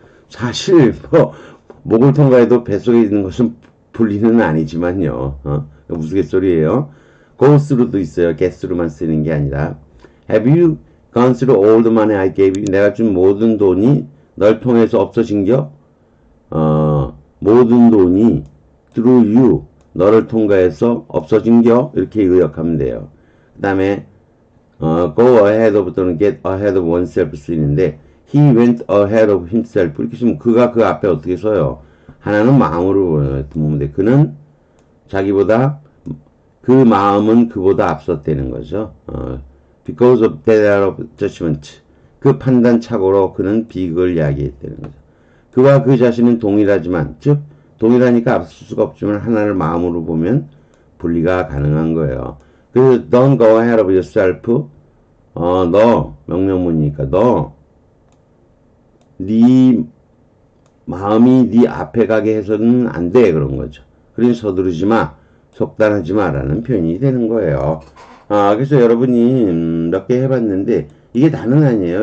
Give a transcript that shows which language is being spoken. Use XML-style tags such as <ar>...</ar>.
<ko>사실 뭐 목을 통과해도 뱃속에 있는 것은 분리는 아니지만요. 우스갯소리예요. go through도 있어요. get through만 쓰는 게 아니라.</ko> <en>Have you gone through all the money I gave you?</en> <ko>내가 준 모든 돈이 널 통해서 없어진 겨? 모든 돈이</ko> <en>through you.</en> <ko>너를 통과해서 없어진 겨? 이렇게 의역하면 돼요. 그 다음에 go ahead of 또는 get ahead of oneself 쓰이는데</ko> <en>he went ahead of himself</en> <ko>이렇게 쓰면 그가 그 앞에 어떻게 서요? 하나는 마음으로 보면 돼. 그는 자기보다 그 마음은 그보다 앞섰다는 거죠.</ko> <en>because of that judgment</en> <ko>그 판단 착오로 그는 비극을 야기했다는 거죠. 그와 그 자신은 동일하지만 즉 동일하니까 앞설 수가 없지만 하나를 마음으로 보면 분리가 가능한 거예요. 그래서</ko> <en>Don't go ahead of yourself.</en> <ko>너 명령문이니까 너네 마음이 네 앞에 가게 해서는 안돼 그런 거죠. 그래서 서두르지 마, 속단하지 마라는 표현이 되는 거예요. 그래서 여러분이 몇개 해봤는데 이게 다는 아니에요.</ko>